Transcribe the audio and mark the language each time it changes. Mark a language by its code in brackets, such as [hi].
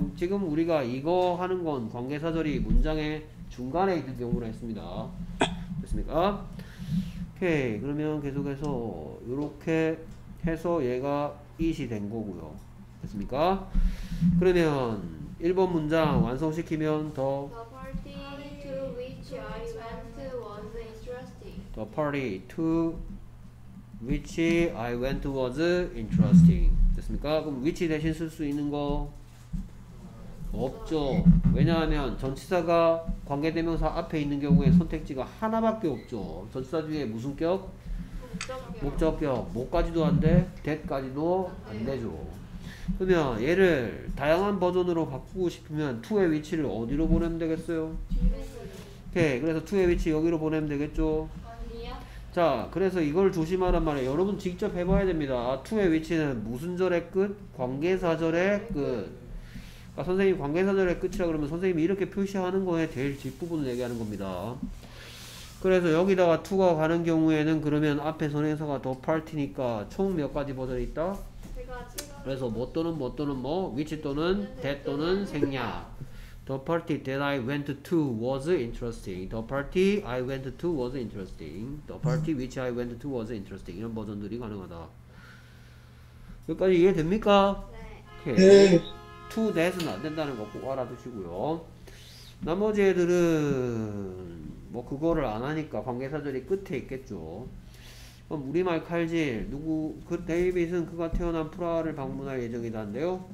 [ko] 지금 우리가 이거 하는 건 관계사절이 문장의 중간에 있는 경우로 했습니다. 됐습니까? 오케이 그러면 계속해서 이렇게 해서 얘가 it이 된 거고요. 됐습니까? 그러면 1번 문장 완성시키면 [en] the party to which I went was interesting. The party to which I went to was interesting. 됐습니까? [ko] 그럼 which 대신 쓸 수 있는 거 없죠. 왜냐하면 전치사가 관계대명사 앞에 있는 경우에 선택지가 하나밖에 없죠. 전치사 뒤에 무슨 격? 목적격. 목까지도 안 돼, that까지도 안 되죠. 그러면 얘를 다양한 버전으로 바꾸고 싶으면 2의 위치를 어디로 보내면 되겠어요? 오케이, 그래서 2의 위치 여기로 보내면 되겠죠? 자, 그래서 이걸 조심하란 말이에요. 여러분 직접 해봐야 됩니다. 2의 위치는 무슨 절의 끝? 관계사절의 끝. 그러니까 선생님이 관계사절의 끝이라 그러면 선생님이 이렇게 표시하는 거에 제일 뒷부분을 얘기하는 겁니다. 그래서 여기다가 2가 가는 경우에는 그러면 앞에 선행사가 더 파티니까 총 몇 가지 버전이 있다? 그래서 뭐 또는 뭐 또는 뭐, which 또는 that 또는 생략. [en] The party that I went to was interesting. The party I went to was interesting. The party which I went to was interesting. [ko] 이런 버전들이 가능하다. 여기까지 이해됩니까? 네. Okay. to that은 안 된다는 거 꼭 알아두시고요. 나머지 애들은 뭐 그거를 안 하니까 관계사들이 끝에 있겠죠. 그럼 우리말 칼질 누구 그 데이빗은 그가 태어난 프라하를 방문할 예정이다인데요.